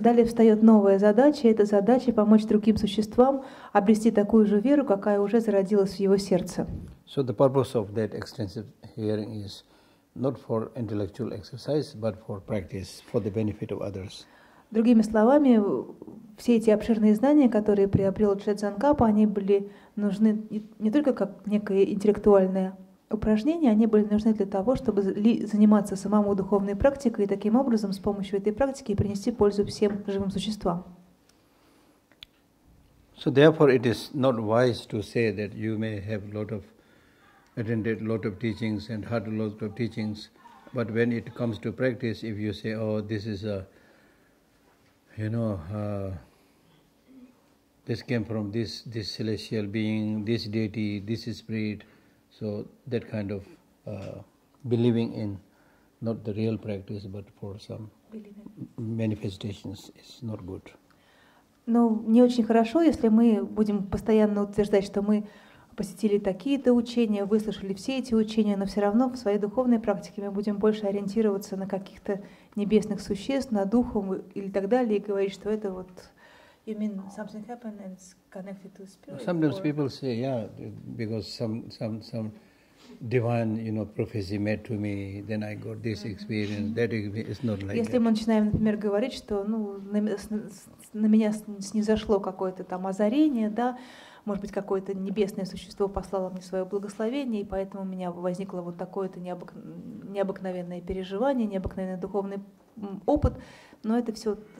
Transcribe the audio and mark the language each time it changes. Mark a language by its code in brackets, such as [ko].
[ru] Далее встает новая задача. Это задача помочь другим существам обрести такую же веру, какая уже зародилась в его сердце. [en] So the purpose of that extensive hearing is not for intellectual exercise, but for practice, for the benefit of others. [ru] Другими словами, все эти обширные знания, которые приобрел Джадзан Капа, они были нужны не только как некое интеллектуальное упражнения, они были нужны для того, чтобы заниматься самому духовной практикой и таким образом с помощью этой практики принести пользу всем живым существам. [en] So therefore it is not wise to say that you may have attended lot of teachings and heard a lot of teachings, but when it comes to practice, if you say, oh, this is a, you know, this came from this celestial being, this deity, this spirit, so that kind of believing in not the real practice but for some manifestations is not good. [ru] Но не очень хорошо, если мы будем постоянно утверждать, что мы посетили такие-то учения, выслушали все эти учения, но все равно в своей духовной практике мы будем больше ориентироваться на каких-то небесных существ, на духов или так далее, и говорить, что это вот... [en] You mean something happened and it's connected to spirit? Sometimes or? People say, yeah, because some divine, you know, prophecy made to me, then I got this experience, that experience. It's not like [ru] Если мы начинаем, например, говорить, что ну, на меня снизошло какое-то там озарение, да, может быть, какое-то небесное существо послало мне свое благословение, и поэтому у меня возникло вот такое-то необыкновенное переживание, необыкновенный духовный опыт, но это все